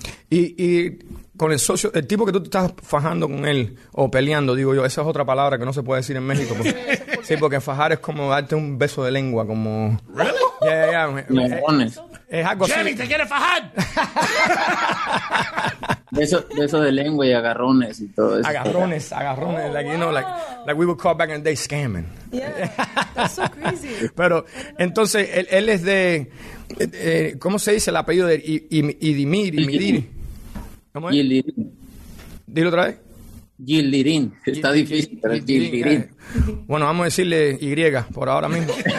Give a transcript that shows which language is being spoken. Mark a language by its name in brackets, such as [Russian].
[Spanish] Y con el socio, el tipo que tú estás fajando con él, o peleando, digo yo, esa es otra palabra que no se puede decir en México. Porque, sí, porque fajar es como darte un beso de lengua, como... [English] ¿Really? [Spanish] Es algo Jenny, así. ¡Te quiere fajar! beso de lengua y agarrones y todo eso. [English] Agarrones. Oh, like, wow. You know, like we would call back in the day scamming. Yeah, that's so crazy. [Spanish] Pero entonces, él es de... ¿cómo se dice el apellido de Idimir? ¿Cómo es? Yildirim. Dilo otra vez. Yildirim. Está difícil, pero es Yildirim. Bueno, vamos a decirle Y por ahora mismo.